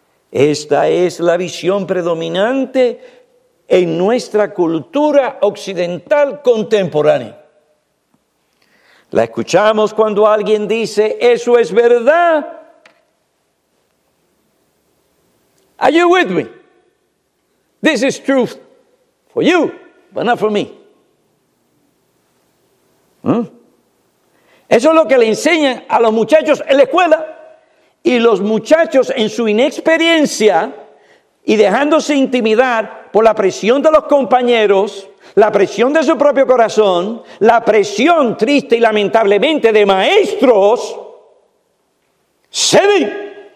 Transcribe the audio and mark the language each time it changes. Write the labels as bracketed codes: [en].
[es] Esta es la visión predominante en nuestra cultura occidental contemporánea. La escuchamos cuando alguien dice, eso es verdad. [en] Are you with me? This is truth for you, but not for me. [es] Eso es lo que le enseñan a los muchachos en la escuela. Y los muchachos en su inexperiencia y dejándose intimidar por la presión de los compañeros, la presión de su propio corazón, la presión triste y lamentablemente de maestros, ceden.